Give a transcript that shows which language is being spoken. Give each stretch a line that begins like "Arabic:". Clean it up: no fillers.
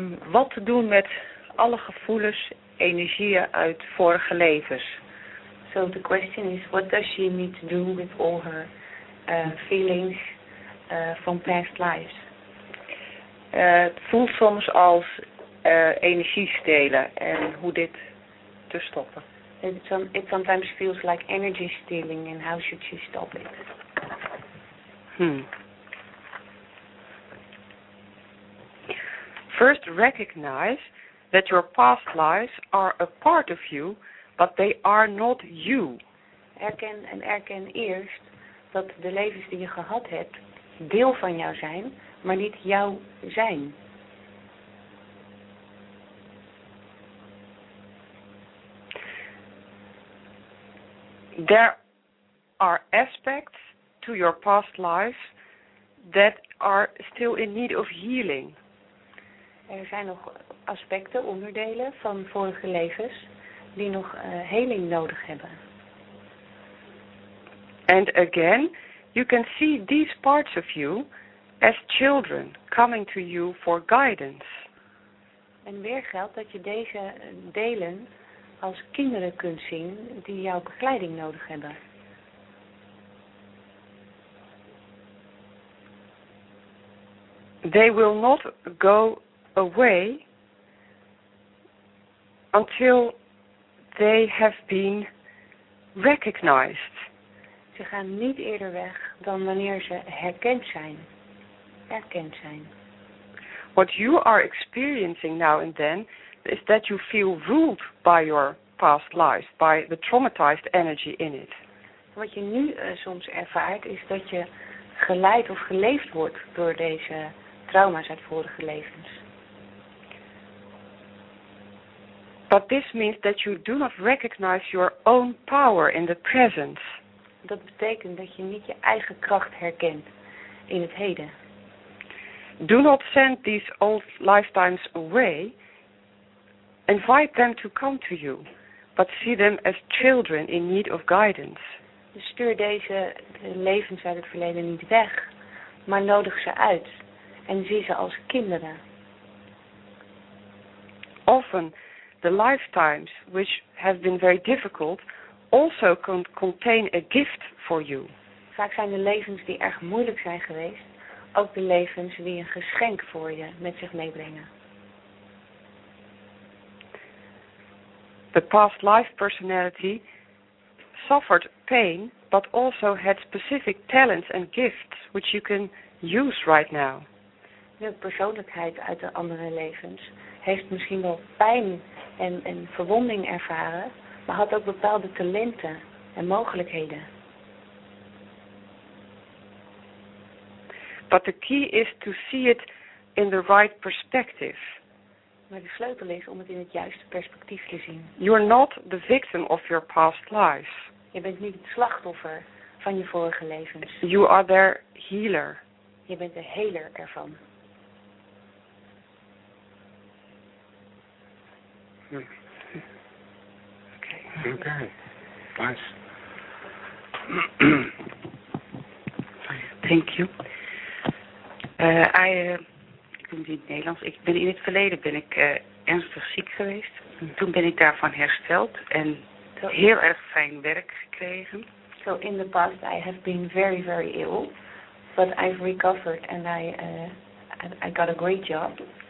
Dutch: Wat te doen met alle gevoelens, energieën uit vorige levens?
English: So the question is, what does she need to do with all her feelings from past lives?
Dutch: Het voelt soms als energie stelen en hoe dit te stoppen.
English: It sometimes feels like energy stealing and how should she stop it? First, recognize that your past lives are a part of you, but they are not you.
Dutch: Erken eerst dat de levens die je gehad hebt deel van jou zijn, maar niet jou zijn.
English: There are aspects to your past lives that are still in need of healing.
Dutch: Er zijn nog aspecten, onderdelen van vorige levens die nog heling nodig hebben.
English: And again, you can see these parts of you as children coming to you for guidance.
Dutch: En weer geldt dat je deze delen als kinderen kunt zien die jouw begeleiding nodig hebben.
English: They will not go away until they have been recognized.
Dutch: Ze gaan niet eerder weg dan wanneer ze herkend zijn. Herkend zijn.
English: What you are experiencing now and then is that you feel ruled by your past lives, by the traumatized energy in it.
Dutch: Wat je nu soms ervaart is dat je geleid of geleefd wordt door deze trauma's uit vorige levens.
English: But this means that you do not recognize your own power in the present.
Dutch: Dat betekent dat je niet je eigen kracht herkent in het heden.
English: Do not send these old lifetimes away. Invite them to come to you, but see them as children in need of guidance.
Dutch: Dus stuur deze levens uit het verleden niet weg, maar nodig ze uit en zie ze als kinderen.
English: Often the lifetimes which have been very difficult also contain a gift for you.
Dutch: Vaak zijn de levens die erg moeilijk zijn geweest ook de levens die een geschenk voor je met zich meebrengen.
English: The past life personality suffered pain, but also had specific talents and gifts which you can use right now.
Dutch: De persoonlijkheid uit de andere levens heeft misschien wel pijn en verwonding ervaren, maar had ook bepaalde talenten en mogelijkheden.
English: But the key is to see it in the right perspective.
Dutch: Maar de sleutel is om het in het juiste perspectief te zien.
English: You are not the victim of your past lives.
Dutch: Je bent niet het slachtoffer van je vorige levens.
English: You are their healer.
Dutch: Je bent de heler ervan.
English: Okay. Thank you.
Dutch: Ik noem het in het Nederlands. In het verleden ben ik ernstig ziek geweest. Toen ben ik daarvan hersteld en heel erg fijn werk gekregen.
English: So in the past I have been very, very ill, but I've recovered and I got a great job.